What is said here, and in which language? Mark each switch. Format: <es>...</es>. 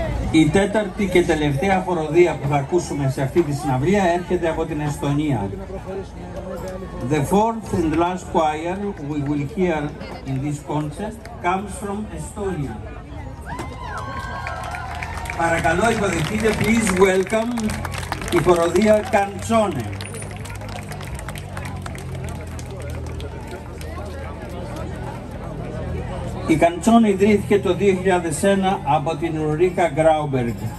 <el>Η τέταρτη και τελευταία χοροδία που θα ακούσουμε σε αυτή τη συναυλία έρχεται από την Εστονία.</el> <en>The fourth and last choir we will hear in this concert comes from Estonia.</en> <el>Παρακαλώ, υποδεχτείτε,</el> <en>please welcome</en> <el>η χοροδία Καντσόνε. Η Καντσόνε ιδρύθηκε το 2001 από την Ρουρίκα Γκράουμπεργκ.</el>